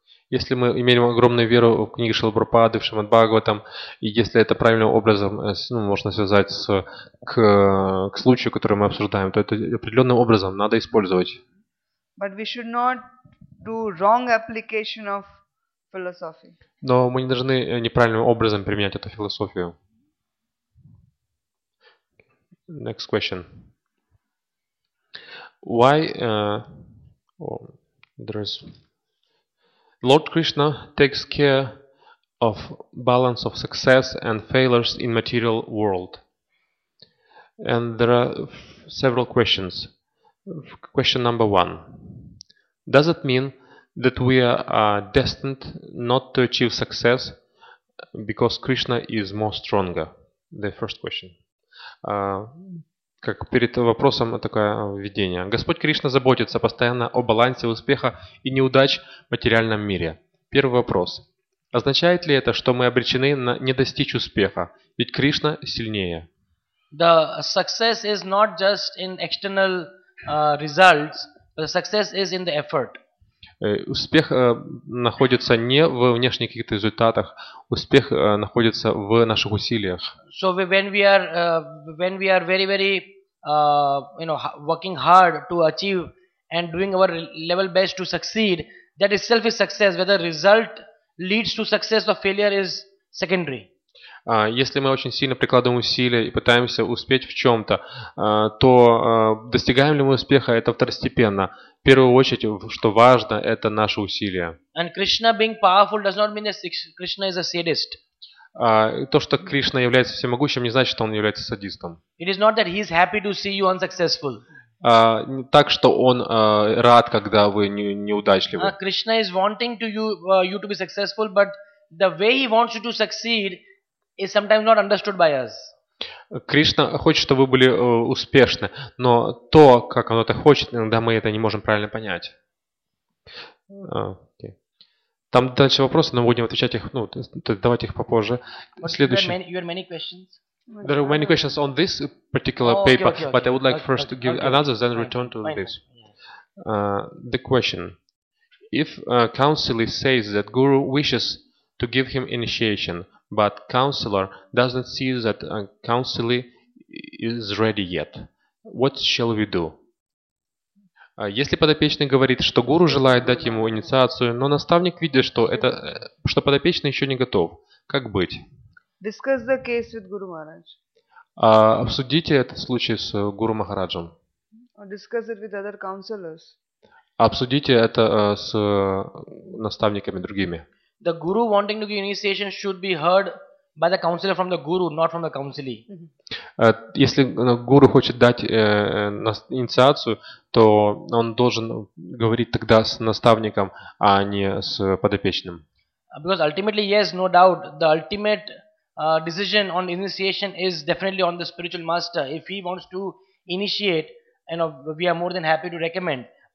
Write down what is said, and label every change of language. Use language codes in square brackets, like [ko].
[ru] Если мы имеем огромную веру в книги Шрилы Прабхупады, в Шримад Бхагаватам, и если это правильным образом можно связать к случаю, который мы обсуждаем, то это определенным образом надо использовать. [en] But we should not do wrong application of philosophy. [ru] Но мы не должны неправильным образом применять эту философию. [en] Next question. Why... There is Lord Krishna takes care of balance of success and failures in material world. And there are several questions. Question number one. Does it mean that we are destined not to achieve success Because Krishna is more stronger. The first question. [ru] Как перед вопросом такое введение. Господь Кришна заботится постоянно о балансе успеха и неудач в материальном мире. Первый вопрос. Означает ли это, что мы обречены на не достичь успеха? Ведь Кришна сильнее. [en] The success is not just in external results, but success is in the effort. [ru] Успех находится не в внешних каких-то результатах, успех находится в наших усилиях. [en] So when we are very very you know working hard to achieve and doing our level best to succeed, that itself is success. Whether result leads to success or failure is secondary. [ru] Если мы очень сильно прикладываем усилия и пытаемся успеть в чем-то, то достигаем ли мы успеха, это второстепенно. В первую очередь, что важно, это наши усилия. [en] And Krishna being powerful does not mean that Krishna is a sadist. [ru] То, что Кришна является всемогущим, не значит, что он является садистом. [en] It is not that he is happy to see you unsuccessful. [ru] Так, что он рад, когда вы неудачливы. [en] Krishna is wanting to you to be successful, but the way he wants you to succeed is sometimes not understood by us. [ru] Кришна хочет, чтобы вы были успешны, но то, как он это хочет, иногда мы это не можем правильно понять. [en] Okay. [ru] Там дальше вопросы, но будем отвечать их, ну, давать их попозже. Следующий. [en] You had many questions? There are many questions on this particular paper, but I would like first to give another, then return to this. The question. If a counselee says that guru wishes to give him initiation, but counselor doesn't see that a counselee is ready yet. What shall we do? [ru] Если подопечный говорит, что гуру желает дать ему инициацию, но наставник видит, что подопечный еще не готов, как быть? [en] Discuss the case with Guru Maharaj. [ru] Обсудите этот случай с Гуру Махараджем. [en] Discuss it with other counselors. [ru] Обсудите это с наставниками другими. [en] The guru wanting to give initiation should be heard by the counselor from the guru, not from the counselee. [ru] Если гуру хочет дать инициацию, то он должен говорить тогда с наставником, а не с подопечным. [en] Because ultimately, yes, no doubt, the ultimate decision on initiation is definitely on the spiritual master. If he wants to initiate, you know, we are more than happy to recommend.